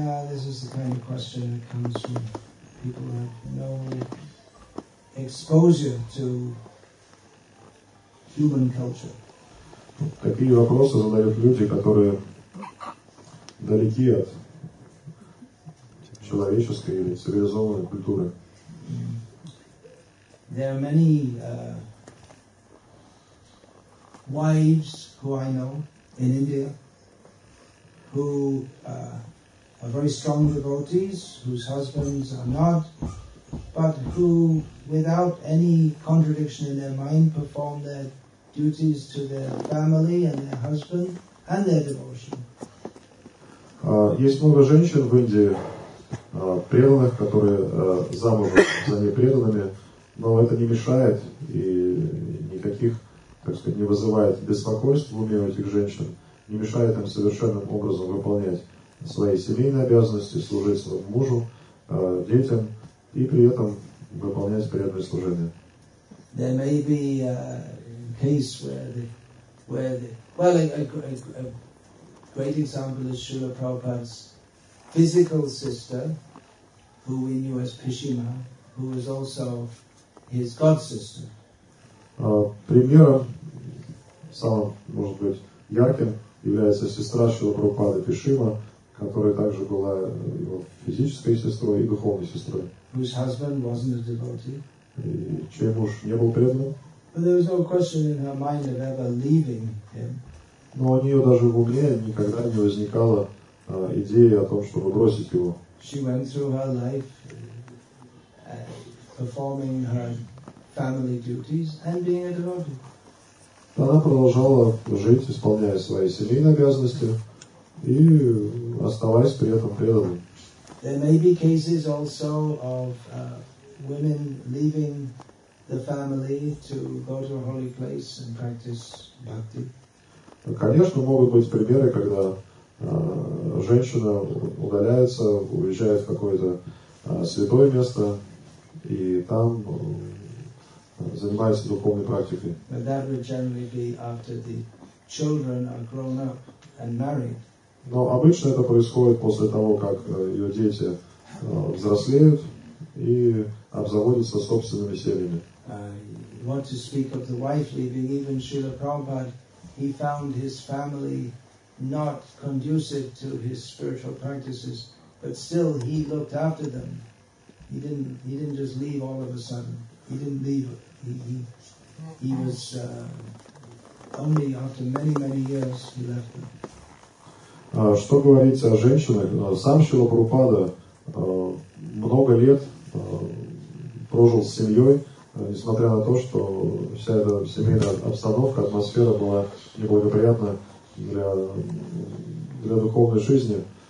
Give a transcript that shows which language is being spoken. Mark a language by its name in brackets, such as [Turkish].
[English] This is the kind of question that comes from people who have no exposure to human culture. [Russian] Такие вопросы задают люди, которые далеки от человеческой или цивилизованной культуры. [English] There are many wives who I know in India who are very strong devotees, whose husbands are not, but who, without any contradiction in their mind, perform their duties to their family and their husband, and their devotion. [Russian] Есть много женщин в Индии, преданных, которые замужем за непреданными, но это не мешает и никаких, так сказать, не вызывает беспокойств в уме этих женщин, не мешает им совершенным образом выполнять свои семейные обязанности, служить своему мужу, детям и при этом выполнять преданное служение. [English] There may be a case where a great example is Srila Prabhupada's physical sister, who we knew as Pishima, who was also his god sister. [Russian] Примером, самым, может быть, ярким, является сестра Шрила Прабхупады Пишима, которая также была его физической сестрой и духовной сестрой. [English] Whose husband wasn't a devotee. [Russian] И чей муж не был предан. [English] But there was no question in her mind of ever leaving him. [Russian] Но у нее даже в уме никогда не возникала идеи о том, чтобы бросить его. [English] She went through her life performing her family duties and being a devotee. [Russian] Она продолжала жить, исполняя свои семейные обязанности и оставаясь при этом преданной. [English] There may be cases also of women leaving the family to go to a holy place and practice bhakti. [Russian] Конечно, могут быть примеры, когда женщина удаляется, уезжает в какое-то святое место и там занимается духовной практикой. [English] But that would generally be after the children are grown up and married. [Russian] Но обычно это происходит после того, как ее дети взрослеют и обзаводятся собственными семьями. [English] Want to speak of the wife leaving, even Srila Prabhupada, he found his family not conducive to his spiritual practices, but still he looked after them. He didn't just leave all of a sudden. He didn't leave. He was only after many years he left them. [Russian] Что говорить о женщинах? Сам Шрила Прабхупада много лет прожил с семьей, несмотря на то, что вся эта семейная обстановка, атмосфера была неблагоприятна для духовной жизни.